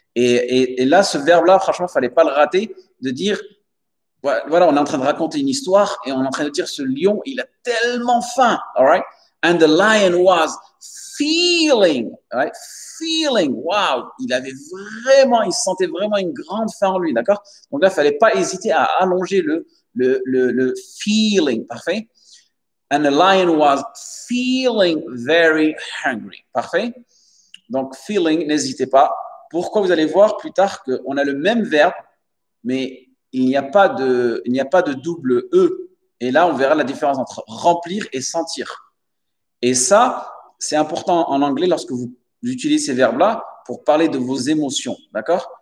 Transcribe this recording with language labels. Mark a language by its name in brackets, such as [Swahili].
[French] Et là, ce verbe-là, franchement, il ne fallait pas le rater, de dire, voilà, on est en train de raconter une histoire et on est en train de dire, ce lion, il a tellement faim, [English] all right? And the lion was feeling, right? [French] Feeling, wow, il avait vraiment, il sentait vraiment une grande faim en lui, d'accord? Donc là, il ne fallait pas hésiter à allonger le feeling, parfait. [English] And the lion was feeling very hungry, parfait. [French] Donc, feeling, n'hésitez pas. Pourquoi vous allez voir plus tard qu'on a le même verbe, mais il n'y a pas de double E. Et là, on verra la différence entre remplir et sentir. Et ça, c'est important en anglais lorsque vous utilisez ces verbes-là pour parler de vos émotions, d'accord?